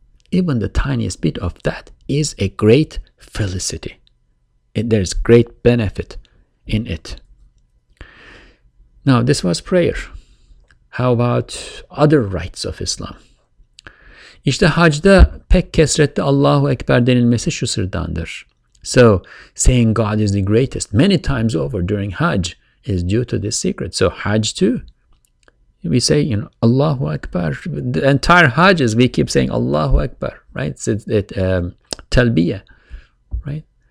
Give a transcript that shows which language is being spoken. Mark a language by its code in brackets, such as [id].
[en] Even the tiniest bit of that is a great felicity. There is great benefit in it. Now, this was prayer. How about other rites of Islam? [tr] İşte hacda pek kesrette Allahu Ekber denilmesi şu sırdandır. [en] So, saying God is the greatest many times over during Hajj is due to this secret. So, Hajj too. We say, you know, Allahu Akbar. The entire Hajj is, we keep saying Allahu Akbar, right? Talbiyah, right?